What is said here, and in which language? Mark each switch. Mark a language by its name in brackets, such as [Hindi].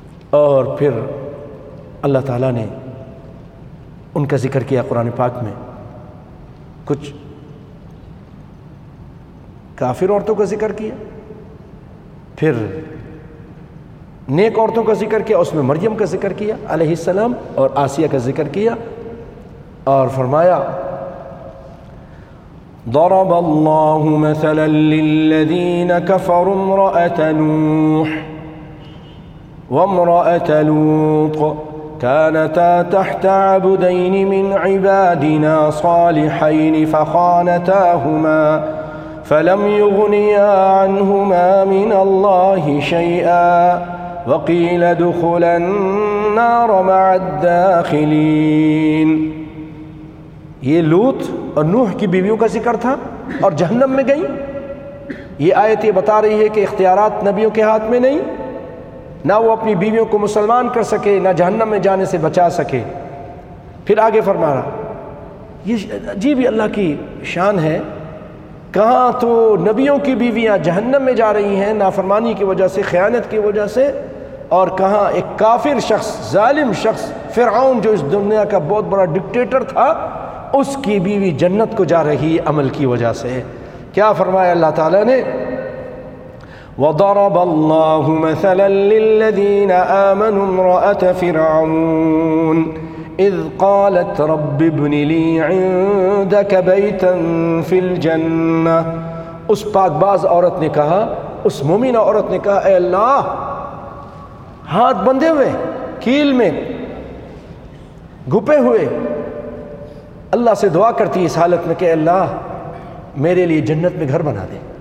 [Urdu] اور پھر اللہ تعالیٰ نے ان کا ذکر کیا قرآن پاک میں, کچھ کافر عورتوں کا ذکر کیا, پھر نیک عورتوں کا ذکر کیا, اس میں مریم کا ذکر کیا علیہ السلام, اور آسیہ کا ذکر کیا, اور فرمایا [Arabic] ضرب اللہ مثلا للذین کفروا امرأة نوح وامرأة لوط كانتا تحت عبدين من عبادنا صالحين فخانتاهما فلم يغنيا عنهما من الله شيئا وقيل ادخلا النار مع الداخلين. [Urdu] یہ لوط اور نوح کی بیویوں کا ذکر تھا اور جہنم میں گئیں. یہ آیت یہ بتا رہی ہے کہ اختیارات نبیوں کے ہاتھ میں نہیں, نہ وہ اپنی بیویوں کو مسلمان کر سکے نہ جہنم میں جانے سے بچا سکے. پھر آگے فرما رہا, یہ عجیب اللہ کی شان ہے, کہاں تو نبیوں کی بیویاں جہنم میں جا رہی ہیں نافرمانی کی وجہ سے, خیانت کی وجہ سے, اور کہاں ایک کافر شخص, ظالم شخص فرعون, جو اس دنیا کا بہت بڑا ڈکٹیٹر تھا, اس کی بیوی جنت کو جا رہی عمل کی وجہ سے. کیا فرمایا اللہ تعالیٰ نے, [Arabic] وضرب الله مثلا للذين آمنوا امرأة فرعون إذ قالت رب ابن لي عندك بيتا في الجنة. [Urdu] اس پاک باز عورت نے کہا, اس مومنہ عورت نے کہا, اے اللہ ہاتھ بندھے ہوئے کیل میں گھپے ہوئے اللہ سے دعا کرتی اس حالت میں کہ اے اللہ میرے لیے جنت میں گھر بنا دے.